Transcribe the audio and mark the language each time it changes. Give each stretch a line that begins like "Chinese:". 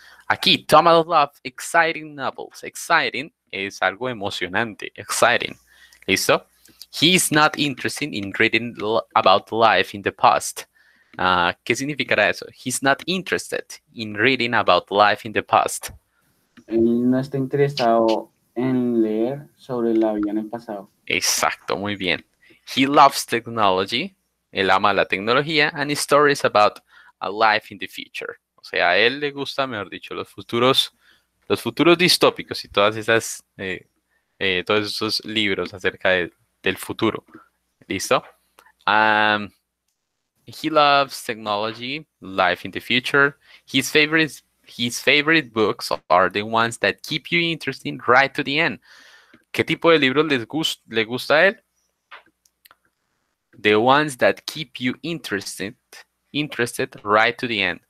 Spanish: Aquí,
English: Thomas loves exciting novels.
Spanish: Exciting es algo emocionante. Exciting. ¿Listo?
English: He's not interested in reading about life in the past. ¿Qué significará eso? He's not interested in reading about life in the past.
Spanish: Él no está interesado en leer sobre la vida en el pasado. Exacto, muy bien.
English: He loves technology.
Spanish: Él ama la tecnología
English: and stories about a life in the future.
Spanish: O sea, a él le gusta, mejor dicho, los futuros distópicos y todas esas todos esos libros acerca del futuro. ¿Listo?
English: He loves technology, life in the future. His favorite books are the ones that keep you interesting right to the end.
Spanish: ¿Qué tipo de libros le gusta a él?
English: The ones that keep you interested right to the end.